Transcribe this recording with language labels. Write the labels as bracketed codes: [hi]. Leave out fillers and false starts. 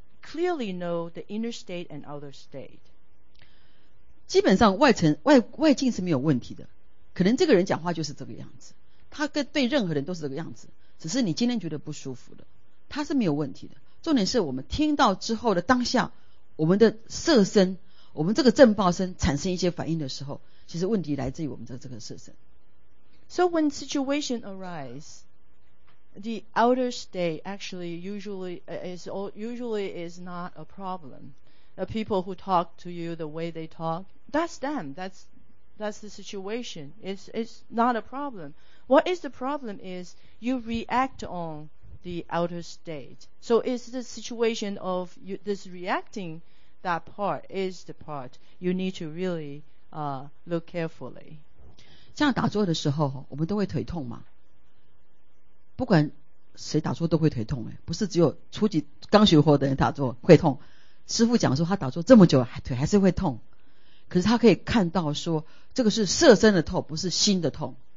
[en] Clearly know the inner state and outer state. [zh] 基本上外境是没有问题的，可能这个人讲话就是这个样子，他跟对任何人都是这个样子，只是你今天觉得不舒服的，他是没有问题的。重点是我们听到之后的当下，我们的色身，我们这个正报身产生一些反应的时候，其实问题来自于我们的这个色身。 [en] So when situation arise, the outer state actually usually is not a problem. The people who talk to you the way they talk, that's them. That's the situation. It's not a problem. What is the problem is you react on the outer state. So it's the situation of you, this reacting, that part is the part you need to really look carefully. [zh] 像打坐的时候，我们都会腿痛嘛。不管谁打坐都会腿痛，不是只有初级刚学佛的人打坐会痛。师父讲说他打坐这么久腿还是会痛，可是他可以看到说这个是色身的痛，不是心的痛。